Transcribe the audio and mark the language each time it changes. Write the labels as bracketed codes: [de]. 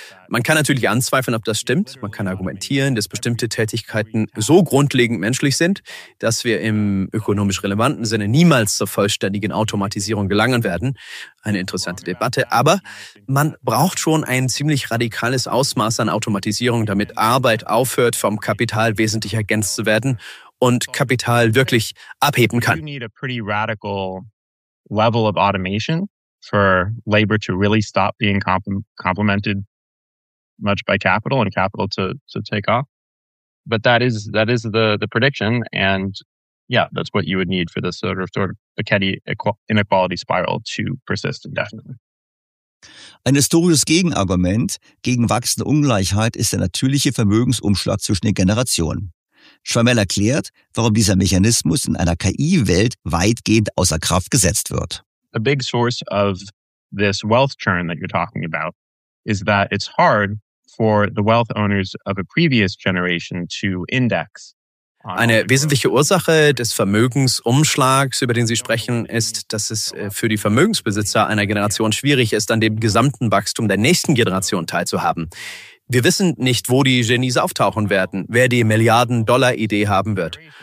[de] Man kann natürlich anzweifeln, ob das stimmt. Man kann argumentieren, dass bestimmte Tätigkeiten so grundlegend menschlich sind, dass wir im ökonomisch relevanten Sinne niemals zur vollständigen Automatisierung gelangen werden. Eine interessante Debatte. Aber man braucht schon ein ziemlich radikales Ausmaß an Automatisierung, damit Arbeit aufhört, vom Kapital wesentlich ergänzt zu werden und Kapital wirklich abheben kann. [en] You need a pretty radical level of automation for labor to really stop being complemented much by capital and capital to take off. But that is the prediction. And yeah, that's what you would need for this sort of Piketty inequality spiral to persist indefinitely. [de] Ein historisches Gegenargument gegen wachsende Ungleichheit ist der natürliche Vermögensumschlag zwischen den Generationen. Trammell erklärt, warum dieser Mechanismus in einer KI-Welt weitgehend außer Kraft gesetzt wird. [en] A big source of this wealth churn that you're talking about is that it's hard for the wealth owners of a previous generation to index. [de] Eine wesentliche Ursache des Vermögensumschlags, über den Sie sprechen, ist, dass es für die Vermögensbesitzer einer Generation schwierig ist, an dem gesamten Wachstum der nächsten Generation teilzuhaben. Wir wissen nicht, wo die Genies auftauchen werden, wer die Milliarden-Dollar-Idee haben wird.